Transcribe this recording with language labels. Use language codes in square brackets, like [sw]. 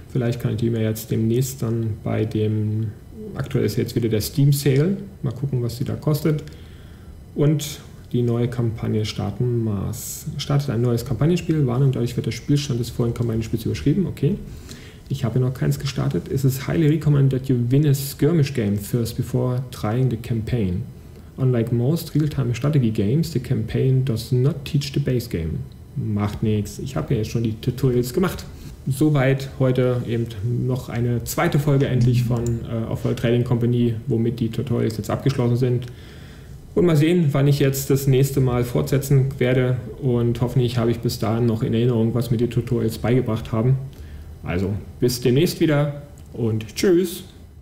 [de] Vielleicht kann ich die mir jetzt demnächst dann bei dem, aktuell ist jetzt wieder der Steam Sale, mal gucken, was die da kostet. Und die neue Kampagne starten Mars. Startet ein neues Kampagnenspiel, Warnung, dadurch wird der Spielstand des vorigen Kampagnenspiels überschrieben, okay. Ich habe noch keins gestartet. [en] It is highly recommended that you win a skirmish game first before trying the campaign. Unlike most real-time strategy games, the campaign does not teach the base game. [de] Macht nichts. Ich habe ja jetzt schon die Tutorials gemacht. Soweit heute eben noch eine zweite Folge endlich von Off-World Trading Company, womit die Tutorials jetzt abgeschlossen sind. Und mal sehen, wann ich jetzt das nächste Mal fortsetzen werde. Und hoffentlich habe ich bis dahin noch in Erinnerung, was mir die Tutorials beigebracht haben. Also, bis demnächst wieder und tschüss!